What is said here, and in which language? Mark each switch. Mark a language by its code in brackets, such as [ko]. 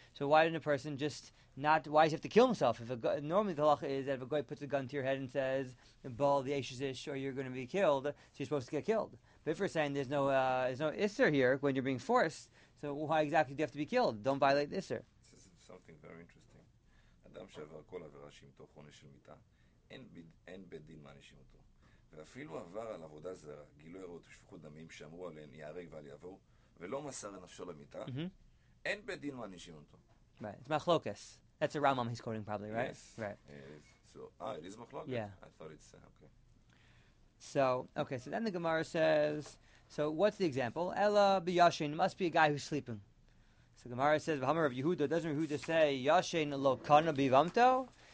[en] So why didn't a person just not, why does he have to kill himself? Normally the halacha is that if a Goy puts a gun to your head and says, Bal the Eshizish, or you're going to be killed, so you're supposed to get killed. But if we're saying there's no Isser here when you're being forced, so why exactly do you have to be killed? Don't violate the Isser. This is something very interesting. [he] אדם שעבר כל עבירה שימתוך עונש של מיטה, אין בדין מענישים אותו. ואפילו עבר על עבודה זרה, גילו עירות ושפיכות דמים שאמרו עליהן יהרג ואל יעבור, ולא מסר לנפשו למיטה, אין בדין מענישים אותו. [en] Right, it's machlokas. That's a Rambam he's quoting probably, right? Yes. Right. It is machlokas? Yeah. I thought it's, okay. So then the Gemara says, so what's the example? [he] Ella b'yashin, [en] must be a guy who's sleeping. So Gemara says, "V'hamar of Yehuda." Doesn't Yehuda say, [he] "Yashen lo kana bivamto"?